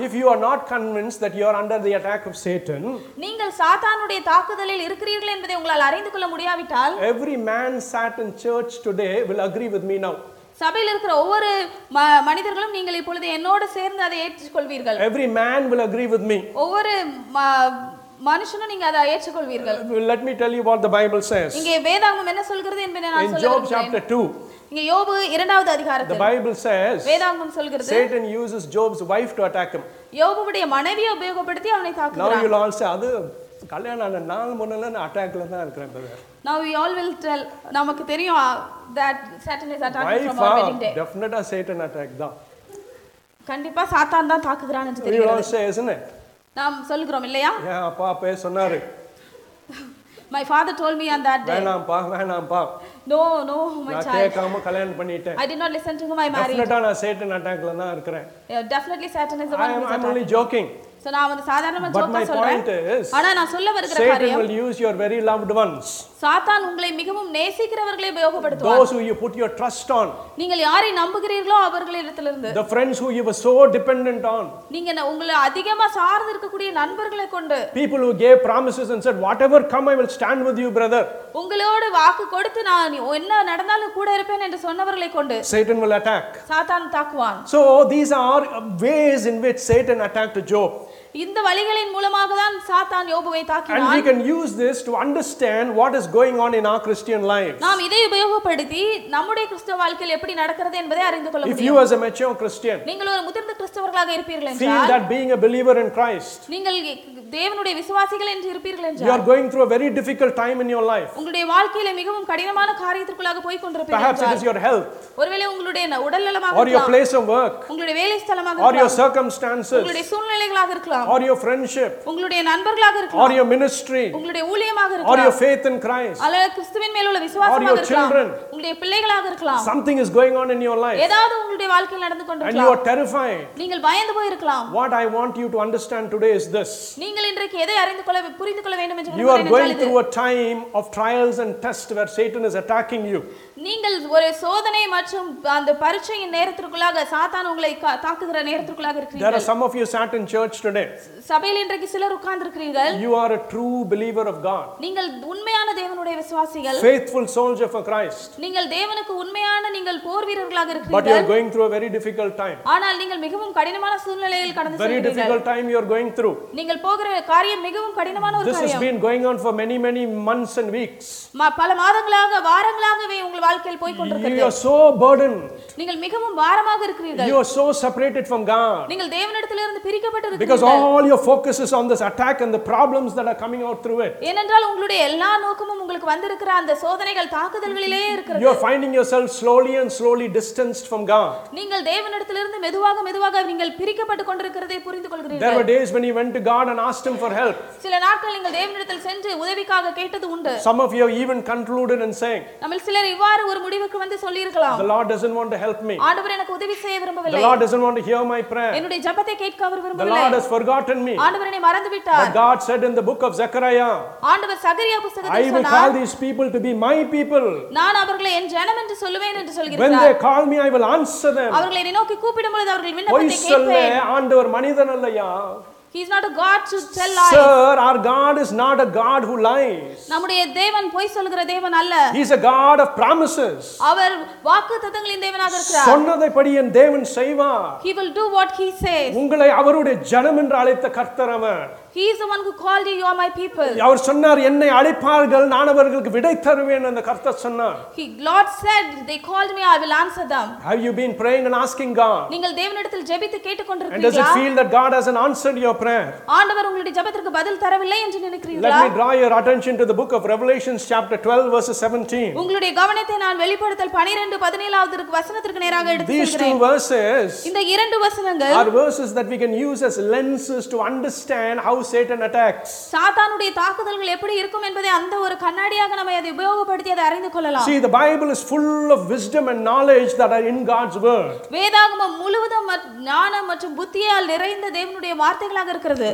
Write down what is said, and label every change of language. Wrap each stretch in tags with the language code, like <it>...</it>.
<en>If you are not convinced that you are under the attack of Satan,</en> <ta>நீங்கள் சாத்தானுடைய தாக்குதலில் இருக்கிறீர்கள் என்பதை உங்களால் அறிந்து கொள்ள முடியாவிட்டால்</ta> <en>every man sat in church today will agree with me now.</en> <ta>சபையில் இருக்கிற ஒவ்வொரு மனிதர்களும் நீங்கள் இப்பொழுது என்னோடு சேர்ந்து அதை ஏற்றுக் கொள்வீர்கள்.</ta> <en>Every man will agree with me.</en> <ta>ஒவ்வொரு மனுஷனும் நீங்க அதை ஏற்றுக் கொள்வீர்கள்.</ta> <en>Let me tell you what the Bible says.</en> <ta>இங்கே வேதாகமம் என்ன சொல்கிறது என்பதை நான் சொல்கிறேன்.</ta> <en>In Job chapter 2. The Bible says Satan uses Job's wife to attack him.</en> <ta>யோபுடைய மனைவியை உபயோகப்படுத்தி அவனை தாக்குறான்.</ta> <en>Now you all say</en> <ta>அது கல்யாணான நாள் முன்னல நான் அட்டாக்ல தான் இருக்கேன் brother.</ta> <en>Now we all will tell</en> <ta>நமக்கு தெரியும்</ta> <en>that Satan is attacking wife from our wedding day. Definitely Satan attack da.</en> <ta>கண்டிப்பா சாத்தான் தான் தாக்குறான் என்று தெரியும்.</ta> <en>You all say isn't it?</en> <ta>நாம் சொல்றோம் இல்லையா? ஏ அப்பா பே சொன்னாரு.</ta> <en>My father told me on that day.</en> <ta>வேணாம்ப்பா.</ta> <en>No, my child.</en> <ta>நான் கேக்காம கல்யாணம் பண்ணிட்டேன்.</ta> <en>I did not listen to him, I married.</en> <ta>அப்படி நான் சேட்டன் அட்டாக்ல தான் இருக்கறேன்.</ta> <en>Yeah, definitely Satan is the one. I'm only joking. So now on the</en> <ta>சாதாரணமா ஜோக்கா சொல்றேன்.</ta> <en>But my point is.</en> <ta>ஆனா நான் சொல்ல வருகிற காரியம்.</ta> <en>Satan will use your very loved ones.</en> <ta>சாத்தான் உங்களை மிகவும் நேசிக்கிறவர்களை உபயோகப்படுத்துவார்.</ta> <en>Those who you put your trust on.</en> <ta>நீங்கள் யாரை நம்புகிறீர்களோ அவர்களிடத்திலிருந்து.</ta> <en>The friends who you were so dependent on.</en> <ta>நீங்க உங்களை அதிகமாக சார்ந்து இருக்கக்கூடிய நண்பர்களை கொண்டு.</ta> <en>People who gave promises and said whatever come I will stand with you brother.</en> <ta>உங்களோடு வாக்கு கொடுத்து நான் என்ன நடந்தாலும் கூட இருப்பேன் என்று சொன்னவர்களை கொண்டு.</ta> <en>Satan will attack.</en> <ta>சாத்தான் தாக்குவான்.</ta> <en>So these are ways in which Satan attacked Job.</en> <ta>இந்த வழிகளின் மூலமாக தான் சாத்தான் யோபுவை தாக்கினான்.</ta> <en>And we can use this to understand what is going on in our Christian lives.</en> <ta>நாம் இதை உபயோகப்படுத்தி நம்முடைய கிறிஸ்தவ வாழ்க்கையில் எப்படி நடக்கிறது என்பதை அறிந்து கொள்ள முடியும்.</ta> <en>If you as a mature Christian,</en> <ta>நீங்கள் ஒரு முதிர்ந்த கிறிஸ்தவர்களாக இருப்பீர்கள் என்றால்,</ta> <en>feel that being a believer in Christ,</en> <ta>நீங்கள் தேவனுடைய விசுவாசிகள் என்று இருப்பீர்கள் என்றால்,</ta> <en>you are going through a very difficult time in your life.</en> <ta>உங்களுடைய வாழ்க்கையில் மிகவும் கடினமான காரியத்திற்குள்ளாக போய் கொண்டிருப்பீர்கள் என்றால்,</ta> <en>perhaps it is your health.</en> <ta>ஒருவேளை உங்களுடைய உடல்நலமாக,</ta> <en>or your place of work,</en> <ta>உங்களுடைய வேலை ஸ்தலமாக,</ta> <en>or your circumstances,</en> <ta>உங்களுடைய சூழ்நிலைகளாக இருக்கலாம்,</ta> <en>or your friendship,</en> <ta>உங்களுடைய நண்பர்களாக இருக்கலாம்,</ta> <en>or your ministry,</en> <ta>உங்களுடைய ஊழியமாக இருக்கலாம்,</ta> <en>or your faith in Christ,</en> <ta>அல்லது கிறிஸ்துவின் மேல் உள்ள விசுவாசமாக இருக்கலாம்,</ta> <en>or your children,</en> <ta>உங்களுடைய பிள்ளைகளாக இருக்கலாம்,</ta> <en>something is going on in your life,</en> <ta>ஏதாவது உங்களுடைய வாழ்க்கையில் நடந்து கொண்டிருக்கலாம்,</ta> <en>and you are terrified,</en> <ta>நீங்கள் பயந்து போய் இருக்கலாம்.</ta> <en>What I want you to understand today is this.</en> <ta>நீங்கள் இன்றைக்கு எதை அறிந்து கொள்ள புரிந்து கொள்ள வேண்டும் என்று</ta> <en>you are going through a time of trials and tests where Satan is attacking you.</en> <ta>நீங்கள் ஒரு சோதனை மற்றும் அந்த பரீட்சையின் நேரத்திற்குள்ளாக சாத்தான் உங்களை தாக்குகிற நேரத்திற்குள்ளாக இருக்கிறீர்கள்.</ta> <en>There are some of you sat in church today.</en> <ta>சபையில் இன்றைக்கு சிலர் உட்கார்ந்திருக்கிறீர்கள்.</ta> <en>You are a true believer of God.</en> <ta>நீங்கள் உண்மையான தேவனுடைய விசுவாசிகள்.</ta> <en>Faithful soldier for Christ.</en> <ta>நீங்கள் தேவனுக்கு உண்மையான நீங்கள் போர் வீரர்களாக இருக்கிறீர்கள்.</ta> <en>But you are going through a very difficult time.</en> <ta>ஆனால் நீங்கள் மிகவும் கடினமான சூழ்நிலையில் கடந்து செல்கிறீர்கள்.</ta> <en>Very difficult time you are going through.</en> <ta>நீங்கள் போகிற காரியம் மிகவும் கடினமான ஒரு காரியம்.</ta> <en>This has been going on for many many months and weeks.</en> <ta>பல மாதங்களாக வாரங்களாகவே உங்கள் வாழ்க்கையில் போய் கொண்டிருக்கிறது.</ta> <en>You are so burdened.</en> <ta>நீங்கள் மிகவும் பாரமாக இருக்கிறீர்கள்.</ta> <en>You are so separated from God.</en> <ta>நீங்கள் தேவனிடத்திலிருந்து பிரிக்கப்பட்டிருக்கிறீர்கள்.</ta> <en>Because all your focus is on this attack and the problems that are coming out through it.</en> <ta>ஏனென்றால் உங்களுடைய எல்லா நோக்கமும் உங்களுக்கு வந்திருக்கிற அந்த சோதனைகள் தாக்குதல்களிலே இருக்கிறது.</ta> <en>You are finding yourself slowly and slowly distanced from God.</en> <ta>நீங்கள் தேவனிடத்திலிருந்து மெதுவாக மெதுவாக நீங்கள் பிரிக்கப்பட்டு கொண்டிருக்கிறதை புரிந்துகொள்கிறீர்கள்.</ta> <en>There were days when you went to God and asked him for help.</en> <ta>சில நாட்கள் நீங்கள் தேவனிடத்தில் சென்று உதவிக்காக கேட்டது உண்டு.</ta> <en>Some of you have even concluded and saying.</en> <ta>நம்மில் சிலர் இவ்வாறு ஒரு முடிவுக்கு வந்து சொல்லியிருக்கலாம்.</ta> <en>The Lord doesn't want to help me.</en> <ta>ஆண்டவர் எனக்கு உதவி செய்ய விரும்பவில்லை.</ta> <en>The Lord doesn't want to hear my prayer.</en> <ta>என்னுடைய ஜெபத்தை கேட்க அவர் விரும்பவில்லை.</ta> <en>The Lord has forgotten me.</en> <ta>ஆண்டவர் என்னை மறந்து விட்டார்.</ta> <en>But God said in the book of Zechariah.</en> <ta>ஆண்டவர் சகரியா புத்தகத்தில் சொன்னார்.</ta> <en>I will call these people to be my people.</en> <ta>நான் அவர்களை என் ஜனம் என்று சொல்வேன் என்று சொல்கிறார்.</ta> <en>When they call me I will answer them.</en> <ta>அவர்களை நினைத்து கூப்பிடும் பொழுது அவர்கள் விண்ணப்பத்தை கேட்பேன். போய் சொல்லு ஆண்டவர் மனிதன் அல்லையா?</ta> <en>He is not a god to tell lies. Sir, our God is not a god who lies.</en> <ta>நம்முடைய தேவன் பொய் சொல்லுகிற தேவன் அல்ல.</ta> <en>He is a god of promises.</en> <ta>அவர் வாக்குத்தத்தங்களின் தேவனாக இருக்கிறார். சொன்னதைப்படி என் தேவன் செய்வார்.</ta> <en>He will do what he says.</en> <ta>உங்களை அவருடைய ஜனம் என்று அழைத்த கர்த்தர் அவர்.</ta> <en>He is the one who called you are my people.</en> <ta>அவர் சொன்னார் என்னை அழைப்பார்கள் நான் அவர்களுக்கு விடை தருவேன் அந்த கர்த்தர் சொன்னார்.</ta> <en>He Lord said they called me I will answer them. Have you been praying and asking God?</en> <ta>நீங்கள் தேவனிடத்தில் ஜெபித்து கேட்டுக்கொண்டிருக்கிறீர்களா?</ta> <en>And does it feel that God has an answered your prayer?</en> <ta>ஆண்டவர் உங்களுடைய ஜெபத்திற்கு பதில் தரவில்லை என்று நினைக்கிறீர்களா?</ta> <en>Let me draw your attention to the book of Revelations chapter 12 verse 17.</en> <ta>உங்களுடைய கவனத்தை நான் வெளிப்படுத்தல் 12 17வது வசனத்திற்கு நேராக எடுத்துக்கொள்கிறேன்.</ta> <en>These two verses</en> <ta>இந்த இரண்டு வசனங்கள்</ta> <en>are verses that we can use as lenses to understand how Satan attacks.</en> <ta>சாத்தானுடைய தாக்குதல்கள் எப்படி இருக்கும் என்பதை அந்த ஒரு கண்ணாடியாக நாம் அதை உபயோகப்படுத்தி அதை அறிந்து கொள்ளலாம்.</ta> <en>See the Bible is full of wisdom and knowledge that are in God's word.</en> <ta>வேதாகமம் முழுவதும் ஞானம் மற்றும் புத்தியால் நிறைந்த தேவனுடைய வார்த்தைகளாக இருக்கிறது.</ta>